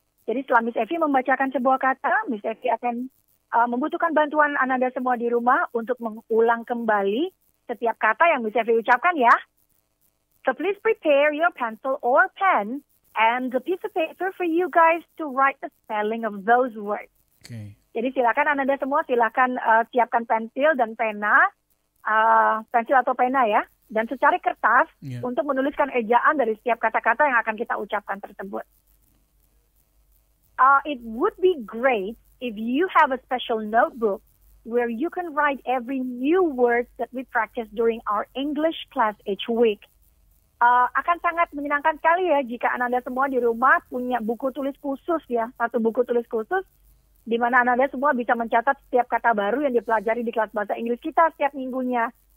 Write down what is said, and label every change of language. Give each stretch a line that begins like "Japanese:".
Indonesian: Jadi setelah Miss Evie membacakan sebuah kata, Miss Evie akan membutuhkan bantuan Ananda semua di rumah untuk mengulang kembali setiap kata yang Miss Evie ucapkan ya.
English: So please prepare your pencil or pen and the piece of paper for you guys to write the spelling of those words. Okay.
Indonesian: Jadi silakan Ananda semua, silakan siapkan pensil dan pena, pensil atau pena ya, dan secari kertas untuk menuliskan ejaan dari setiap kata-kata yang akan kita ucapkan tersebut.
English: It would be great if you have a special notebook where you can write every new word that we practice during our English class each week.
Indonesian: Akan sangat menyenangkan sekali ya jika Ananda semua di rumah punya buku tulis khusus ya, satu buku tulis khusus di mana Ananda semua bisa mencatat setiap kata baru yang dipelajari di kelas bahasa Inggris kita setiap minggunya.